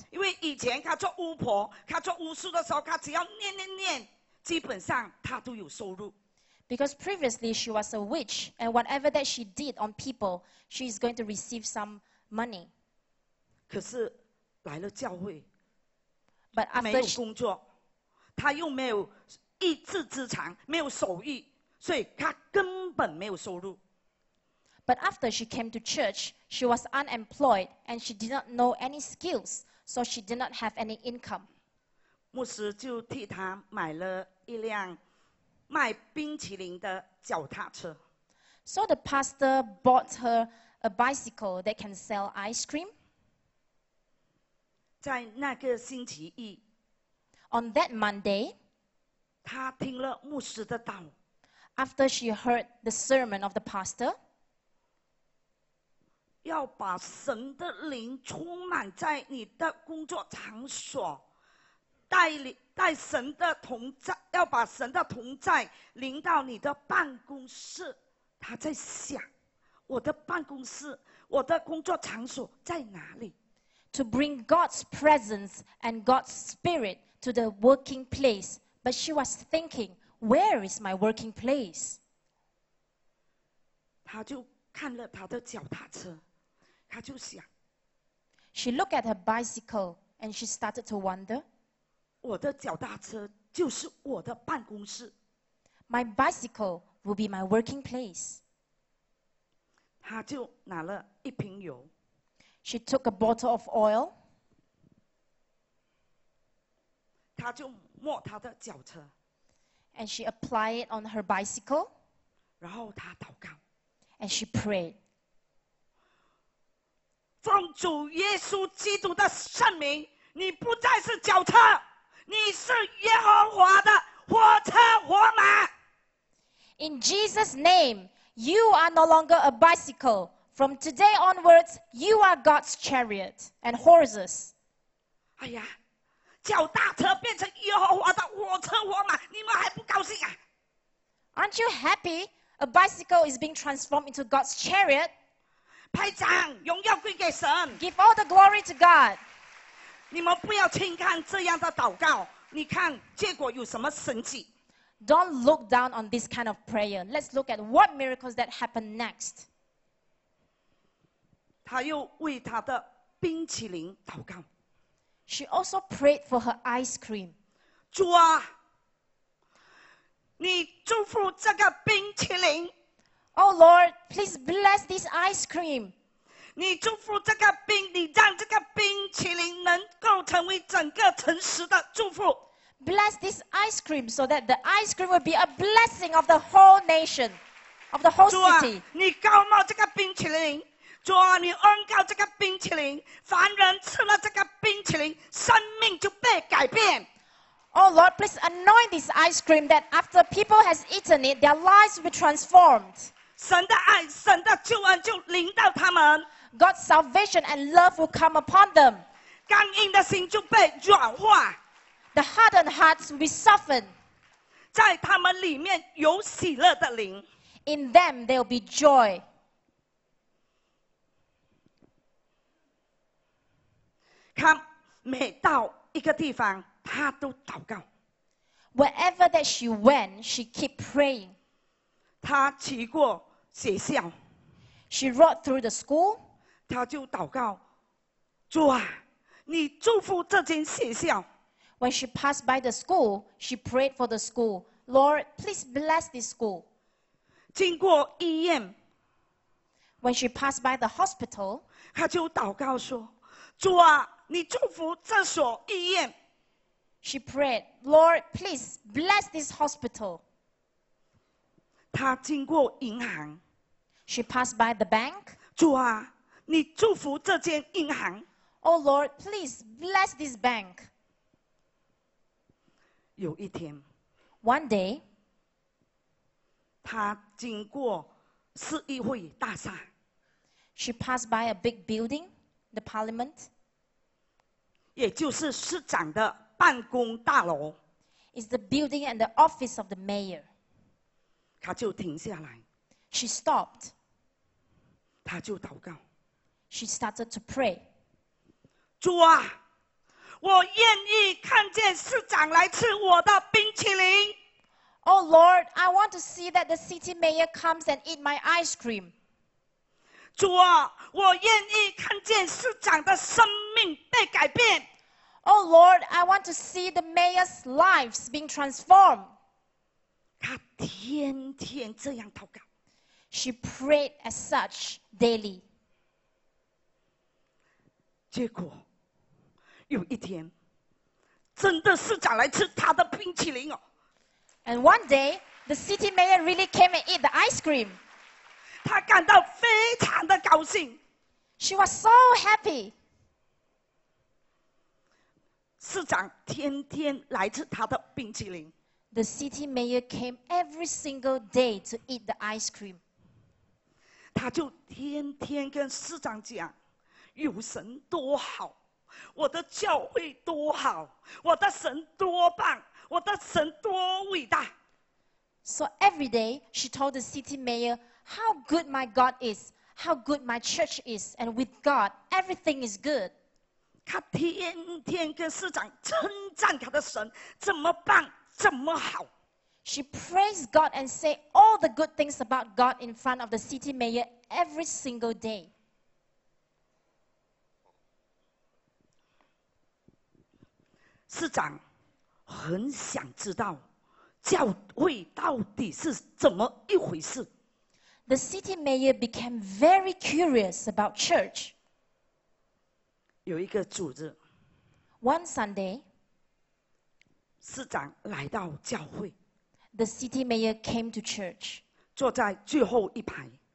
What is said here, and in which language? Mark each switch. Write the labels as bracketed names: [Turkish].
[Chinese] 因为以前她做巫婆她做巫术的时候她只要念念念基本上她都有收入 [English] Because previously she was a witch and whatever that she did on people she is going to receive some money [Chinese] 可是来了教会 [English] But after [Chinese] 没有工作她又没有一技之长没有手艺所以她根本没有收入 [English] But after she came to church, she was unemployed and she did not know any skills, so she did not have any income. [Chinese] 牧师就替她买了一辆卖冰淇淋的脚踏车。 [English] So the pastor bought her a bicycle that can sell ice cream. [Chinese] 在那个星期一 [English] On that Monday, [Chinese] 她听了牧师的道。 [English] After she heard the sermon of the pastor, [Chinese] 要把神的灵充满在你的工作场所带神的同在要把神的同在临到你的办公室他在想我的办公室我的工作场所在哪里 [English] To bring God's presence and God's spirit to the working place But she was thinking Where is my working place? [Chinese] 他就看了他的脚踏车她就想 [English] She looked at her bicycle and she started to wonder [Chinese] 我的脚踏车就是我的办公室 [English] My bicycle will be my working place [Chinese] 她就拿了一瓶油 [English] She took a bottle of oil [Chinese] 她就抹她的脚车 [English] And she applied it on her bicycle [Chinese] 然后她祷告 [English] And she prayed [Chinese] 奉主耶稣基督的圣名，你不再是脚车，你是耶和华的火车火马。 [English] In Jesus' name, you are no longer a bicycle. From today onwards, you are God's chariot and horses. [Chinese] 哎呀，脚大车变成耶和华的火车火马，你们还不高兴啊？ [English] Aren't you happy? A bicycle is being transformed into God's chariot. [Chinese] 拍掌，荣耀归给神。 [English] Give all the glory to God。 [Chinese] 你们不要轻看这样的祷告，你看结果有什么神迹 [English] ？Don't look down on this kind of prayer. Let's look at what miracles that happen next. [Chinese] 她又为她的冰淇淋祷告。 [English] She also prayed for her ice cream. [Chinese] 主啊，你祝福这个冰淇淋。 [English] Oh Lord, please bless this ice cream. [Chinese] 你祝福这个冰，你让这个冰淇淋能够成为整个城市的祝福。 [English] Bless this ice cream so that the ice cream will be a blessing of the whole nation, of the whole city. [Chinese] 主啊，你高牧这个冰淇淋，主啊，你恩膏这个冰淇淋，凡人吃了这个冰淇淋，生命就被改变。 [English] Oh Lord, please anoint this ice cream that after people has eaten it, their lives will be transformed. [Chinese] 神的爱，神的救恩就临到他们。 [English] God's salvation and love will come upon them. [Chinese] 刚硬的心就被软化。 [English] The hardened hearts will be softened. [Chinese] 在他们里面有喜乐的灵。 [English] In them there will be joy. [Chinese] 看每到一个地方。她都祷告。 [English] Wherever that she went, she kept praying. [Chinese] 她骑过学校。 [English] She rode through the school. [Chinese] 她就祷告，主啊，你祝福这间学校。 [English] When she passed by the school, she prayed for the school. Lord, please bless this school. [Chinese] 经过医院。 [English] When she passed by the hospital, [Chinese] 她就祷告说，主啊，你祝福这所医院。 [English] She prayed, Lord, please bless this hospital. [Chinese] 她经过银行。 [English] She passed by the bank. [Chinese] 主啊，你祝福这间银行。 [English] Oh Lord, please bless this bank. [Chinese] 有一天 [English] ，One day， [Chinese] 他经过市议会大厦。 [English] She passed by a big building, the Parliament. [Chinese] 也就是市长的办公大楼。 [English] It's the building and the office of the mayor. [Chinese] 他就停下来。 [English] She stopped. [Chinese] 他就祷告。 [English] She started to pray. [Chinese] 主啊，我愿意看见市长来吃我的冰淇淋。 [English] Oh Lord, I want to see that the city mayor comes and eat my ice cream. [Chinese] 主啊，我愿意看见市长的生命被改变。 [English] Oh Lord, I want to see the mayor's lives being transformed. [Chinese] 他天天这样祷告。 [English] She prayed as such daily. [Chinese] 结果有一天真的市长来吃他的冰淇淋哦。 [English] And one day, the city mayor really came and ate the ice cream. [Chinese] 他感到非常的高兴。 [English] She was so happy. [Chinese] 市长天天来吃他的冰淇淋。 [English] The city mayor came every single day to eat the ice cream. [Chinese] 他就天天跟市长讲，有神多好，我的教会多好，我的神多棒，我的神多伟大。 [English] So every day she told the city mayor how good my God is, how good my church is, and with God everything is good. [Chinese] 他天天跟市长称赞他的神怎么棒，怎么好。 [English] She praised God and said all the good things about God in front of the city mayor every single day. [Chinese] 市长很想知道教会到底是怎么一回事。 [English] The city mayor became very curious about church. [Chinese] 有一个主日 [English] One Sunday, [Chinese] 市长来到教会。 [English] The city mayor came to church. [Chinese] 坐在最后一排。